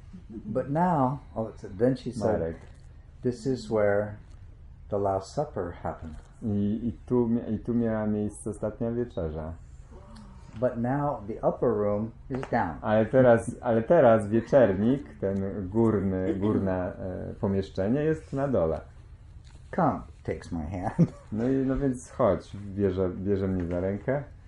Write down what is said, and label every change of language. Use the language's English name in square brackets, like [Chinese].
[English] But now, then she said, Marek. This is where the Last Supper happened. [Polish] I tu miała miejsce ostatnia wieczerza. [English] But now the upper room is down. [Polish] Ale teraz wieczernik, ten górne pomieszczenie jest na dole. [English] Come, takes my hand. [Polish] No więc chodź, bierze mnie za rękę.